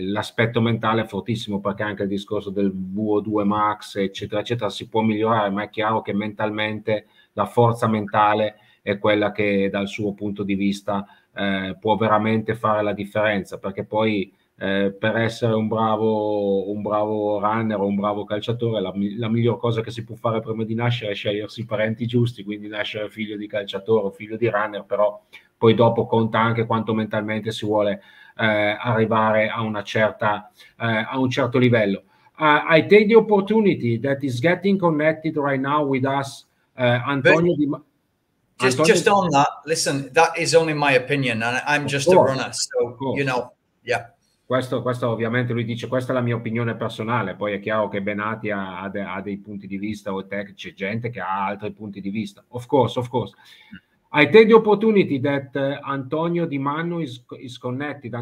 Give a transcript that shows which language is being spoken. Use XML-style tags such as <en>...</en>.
<it>L'aspetto mentale è fortissimo, perché anche il discorso del VO2 max eccetera eccetera si può migliorare, ma è chiaro che mentalmente la forza mentale è quella che dal suo punto di vista può veramente fare la differenza, perché poi per essere un bravo runner o un bravo calciatore, la miglior cosa che si può fare prima di nascere è scegliersi i parenti giusti, quindi nascere figlio di calciatore o figlio di runner. Però poi dopo conta anche quanto mentalmente si vuole arrivare a una certa a un certo livello.</it> <en>I take the opportunity that is getting connected right now with us, Antonio. Just on that, listen, that is only my opinion, and I'm just a runner, so you know, yeah.</en> <it>Questo ovviamente lui dice, questa è la mia opinione personale, poi è chiaro che Benati ha dei punti di vista, o c'è gente che ha altri punti di vista.</it> <en>Of course. I take the opportunity that Antonio Di Manno is connected.</en>